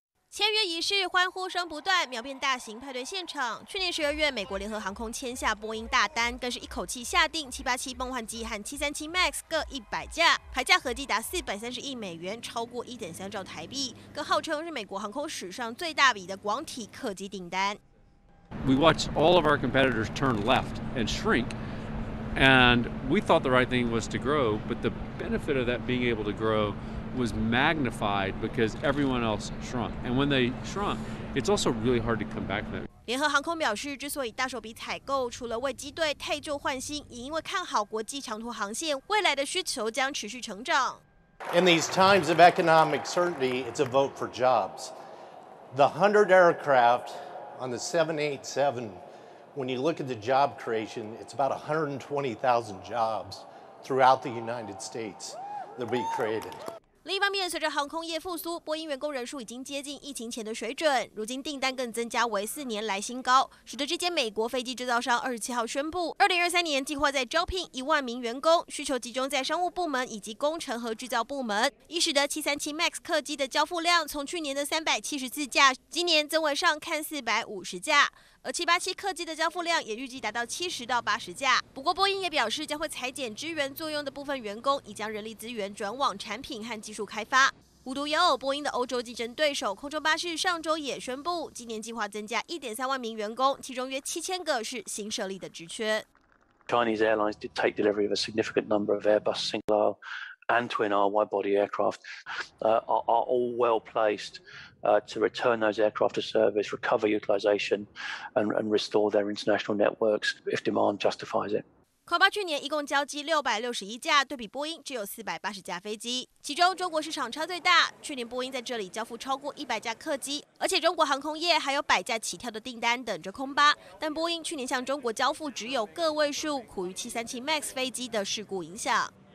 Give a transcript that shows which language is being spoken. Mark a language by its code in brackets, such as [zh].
[zh] 签约仪式欢呼声不断，秒变大型派对现场。去年12月，美国联合航空签下波音大单，更是一口气下定787梦幻机和737 MAX 各100架，排价合计达430亿美元，超过1.3兆台币，更号称是美国航空史上最大笔的广体客机订单。 [en] We watched all of our competitors turn left and shrink, and we thought the right thing was to grow, but the benefit of that being able to growwas magnified because everyone else shrunk. And when they shrunk, it's also really hard to come back from that. [zh] 联合航空表示，之所以大手笔采购，除了为机队汰旧换新，也因为看好国际长途航线未来的需求将持续成长。 [en] In these times of economic certainty, it's a vote for jobs. The 100 aircraft on the 787, when you look at the job creation, it's about 120,000 jobs throughout the United States that will be created. [zh] 另一方面，随着航空业复苏，波音员工人数已经接近疫情前的水准，如今订单更增加为4年来新高，使得这间美国飞机制造商27号宣布，2023年计划再招聘10000名员工，需求集中在商务部门以及工程和制造部门，亦使得737 MAX 客机的交付量从去年的374架，今年增为上看450架，而787客机的交付量也预计达到70到80架。不过，波音也表示将会裁减支援作用的部分员工，以将人力资源转往产品和技术开发。无独有偶，波音的欧洲竞争对手空中巴士上周也宣布，今年计划增加1.3万名员工，其中约7000个是新设立的职缺。 [en] Chinese airlines did take delivery of a significant number of Airbus single aisle and twin aisle wide body aircraft. Are all well placed to return those aircraft to service, recover utilization, and restore their international networks if demand justifies it. [zh] 空巴去年一共交机661架，对比波音只有480架飞机。其中中国市场差最大，去年波音在这里交付超过100架客机，而且中国航空业还有100架起跳的订单等着空巴。但波音去年向中国交付只有个位数，苦于737 MAX 飞机的事故影响。